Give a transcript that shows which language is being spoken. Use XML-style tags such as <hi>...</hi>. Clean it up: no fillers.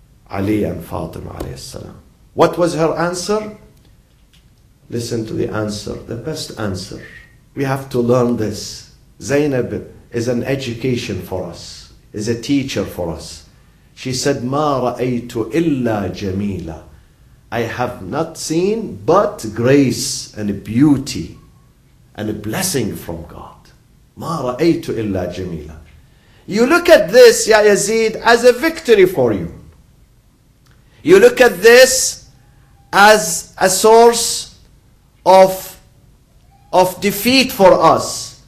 <en>Ali and Fatima alayhi salam. What was her answer? Listen to the answer, the best answer. We have to learn this. Zainab is an education for us, is a teacher for us. She said,</en> <ar>مَا رَأَيْتُ إِلَّا جَمِيلًا.</ar> <en>I have not seen but grace and beauty and a blessing from God.</en> <ar>مَا رَأَيْتُ إِلَّا جَمِيلًا.</ar> <en>You look at this, Ya Yazid, as a victory for you. You look at this as a source of defeat for us.</en>